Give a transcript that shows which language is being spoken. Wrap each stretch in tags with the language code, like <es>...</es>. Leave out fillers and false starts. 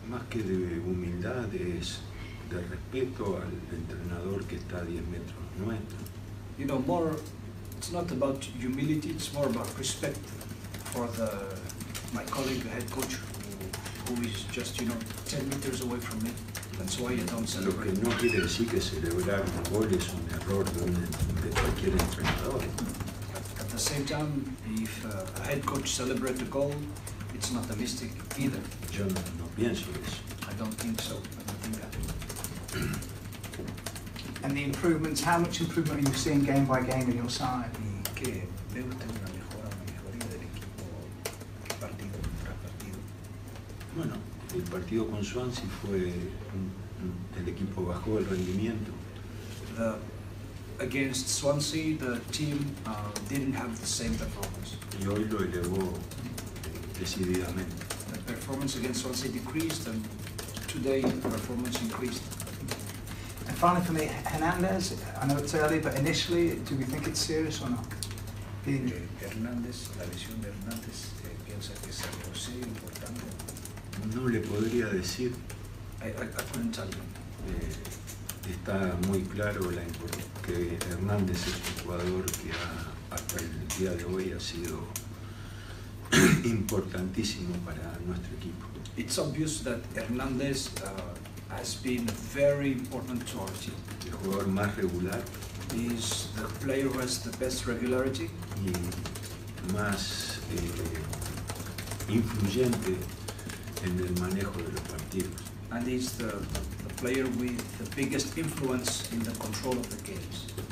<es>Que de humildad es de respeto al entrenador que está a 10 metros nuestro.</es> <en>You know, more, it's not about humility, it's more about respect for the my colleague, the head coach, who is just, you know, 10 meters away from me. That's why you don't celebrate.</en> <es>Lo que no quiere decir que celebrar un gol es un error de cualquier entrenador.</es> <en>At the same time, if a head coach celebrates a goal, it's not a mistake either.</en> <es>Yo no pienso eso.</es> <en>I don't think so. I don't think that. And the improvements, how much improvement are you seeing game by game in your side?</en> <es>Y que veo que tengo una mejora, una mejoría del equipo partido tras partido. Bueno, el partido con Swansea fue el equipo bajó el rendimiento.</es> <en>The, against Swansea, the team didn't have the same performance.</en> <es>Y hoy lo elevó.</es> <en>The performance against Swansea decreased, and today the performance increased. And finally, for me, Hernandez. I know it's early, but initially, do we think it's serious or not?</en> <es>Hernandez, la lesión de Hernandez, piensa que es algo serio, importante. No le podría decir.</es> <en>I couldn't tell you.</en> <es>Está muy claro la que Hernandez es un jugador que hasta el día de hoy ha sido importantísimo para nuestro equipo.</es> <en>It's obvious that Hernández has been very important to our team.</en> <es>El jugador más regular.</es> <en>Is the player who has the best regularity.</en> <es>Y más influyente en el manejo de los partidos.</es> <en>And is the player with the biggest influence in the control of the games.</en>